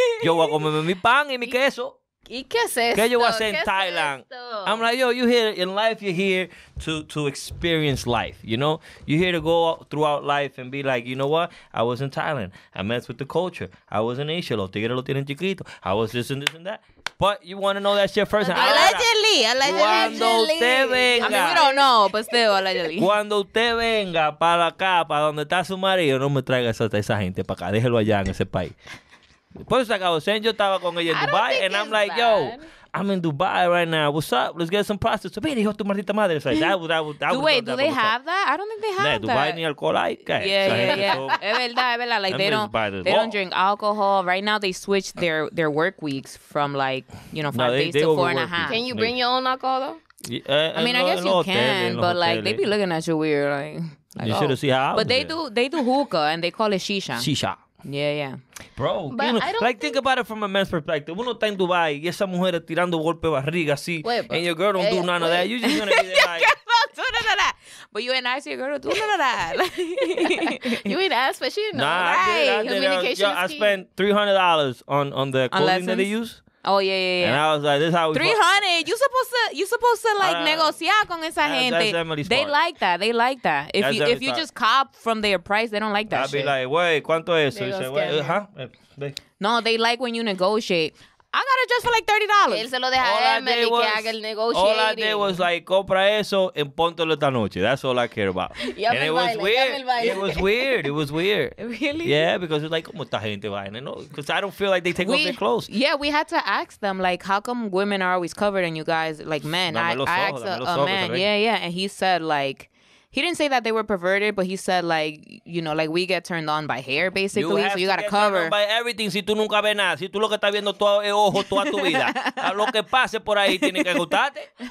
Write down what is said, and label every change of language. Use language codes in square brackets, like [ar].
[es] Yo voy a comerme mi pan y mi queso. ¿Y qué es esto? ¿Qué yo voy a hacer en Thailand? [en] I'm like, yo, you here in life, you're here to experience life, you know? You're here to go throughout life and be like, you know what? I was in Thailand. I messed with the culture. I was in Asia. [es] Los tigres lo tienen chiquito. [en] I was this and this and that. But you want to know that shit first. Allegedly. [es] Cuando usted venga. [en] I mean, we don't know, but still, allegedly. [es] Cuando usted venga para acá, para donde está su marido, no me traiga esa gente para acá. Déjelo allá en ese país. Por eso acabo de decir, yo estaba con ella en [en] Dubai, and I'm like, bad. Yo, I'm in Dubai right now. What's up? Let's get some prostitutes. [es] Mira, hijo, tu maldita madre. [en] Like, that was Do they have that? I don't think they have Dubai that. [es] Dubai ni alcohol hay. [en] Yeah, yeah, yeah. [es] Es verdad. [en] Like, they don't drink alcohol. Right now, they switch their work weeks from, like, you know, 5 days to 4.5. Can you bring your own alcohol, though? Yeah, I mean, I guess you can, but, like, they be looking at you weird, like you should have seen how. But they do hookah, and they call it shisha. Shisha. Yeah, yeah. Bro, you know, think about it from a man's perspective. [es] Uno está en Dubai y esa mujer es tirando golpe barriga así. [en] Wait, and your girl don't do none of that. You're just going to be there like... But you ain't asked your girl to do none of that. You ain't asked, but she didn't know. Nah, right. I spent $300 on the clothing that they use. Oh, yeah, yeah, yeah. And I was like, this is how we... $300? You supposed to [es] negociar con esa gente. [en] That's Emily's part. They like that. If you just cop from their price, they don't like that I'd shit. I'd be like, wait, [es] ¿cuánto es eso? [en] No, they like when you negotiate. I got it just for like $30. [es] Él se lo deja a Emily que haga el negotiating. [en] All I did was like, [es] compra eso en póntelo esta noche. [en] That's all I care about. And it was weird. It was weird. Really? Yeah, because it's like, [es] ¿cómo esta gente va? [en] Because I don't feel like they take off their clothes. Yeah, we had to ask them, like, how come women are always covered and you guys, like men? I asked a man. Yeah, yeah. And he said, like, he didn't say that they were perverted, but he said, like, you know, like, we get turned on by hair, basically, you so you got to cover. [es] By everything, si tú nunca ves nada. Si tú lo que estás viendo todo es ojo toda tu vida. A lo que pase por ahí, tiene que gustarte.